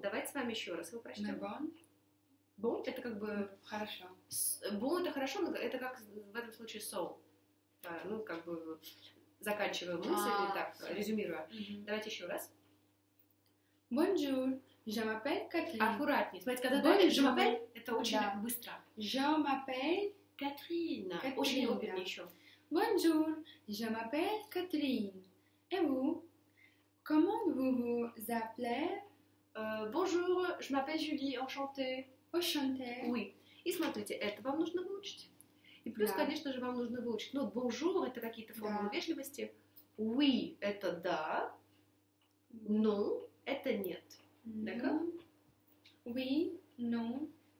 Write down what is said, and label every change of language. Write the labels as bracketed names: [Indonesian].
[Russian] Давайте с вами еще раз его прочтем. Мы бон. Бон это как бы... Хорошо. Бон это хорошо, но это как в этом случае соу. [English] So. [Russian] Ну, как бы заканчивая мысль, или так, резюмируя. Давайте еще раз. [French] Bonjour, je m'appelle Catherine. [Russian] Аккуратнее. Смотрите, когда бон, [French] je m'appelle, [Russian] это очень быстро. [French] Je m'appelle Catherine. [Russian] Очень удобнее еще. [French] Bonjour, je m'appelle Catherine. Et vous? Comment vous appelez? Bonjour, je m'appelle Julie, enchantée. Enchantée. Oui. [Russian] И смотрите, это вам нужно выучить. И плюс, конечно же, вам нужно выучить. Ну, bonjour, это какие-то формы вежливости. Oui, это да. Non, это нет. [French] Oui, non.